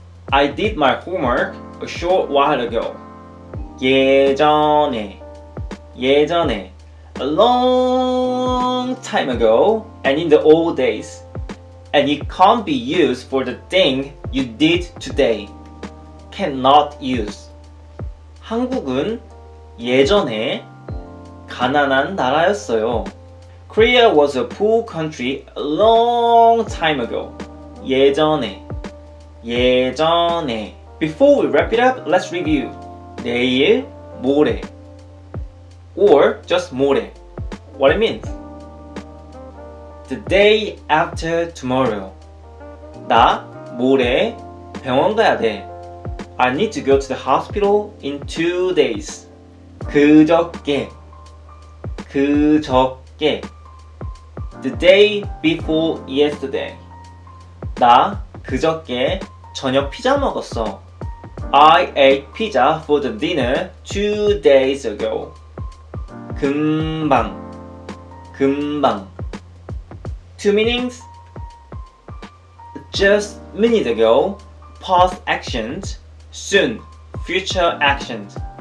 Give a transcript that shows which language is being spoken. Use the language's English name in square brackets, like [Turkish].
[English] I did my homework a short while ago. 예전에 예전에 A long time ago and in the old days. And it can't be used for the thing you did today. Cannot use. [Korean] 한국은 예전에 가난한 나라였어요. [English] Korea was a poor country a long time ago. 예전에 예전에 Before we wrap it up, let's review. 내일 모레 Or just 모레 What it means? The day after tomorrow. [Korean] 나 모레 병원 가야 돼. [English] I need to go to the hospital in 2 days. 그저께 그저께 The day before yesterday. [Korean] 나 그저께 저녁 피자 먹었어. [English] I ate pizza for the dinner 2 days ago. 금방 금방 Two meanings? Just minute ago, past actions, soon, future actions.